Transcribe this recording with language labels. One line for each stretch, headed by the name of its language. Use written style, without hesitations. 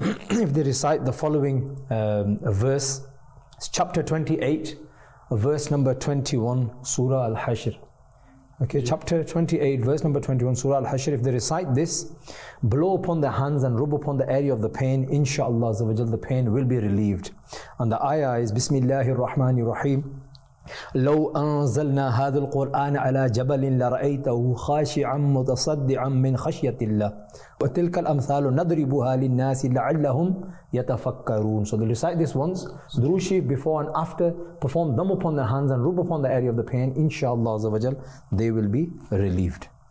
English: If they recite the following verse, it's chapter 28, verse number 21, Surah Al-Hashr. Okay, chapter 28, verse number 21, Surah Al-Hashr. If they recite this, blow upon the hands and rub upon the area of the pain, inshallah, the pain will be relieved. And the ayah is,
Arabic: Bismillahir Rahmanir Rahim. لو أنزلنا هذا القرآن على جبل لرأيته خاشعا متصدعا من خشية الله وتلك الأمثال نضربها للناس لعلهم يتفكرون.
English: So they recite this once, Durushi, before and after, perform them upon the hands and rub upon the area of the pain, inshallah azza wa jal, they will be relieved.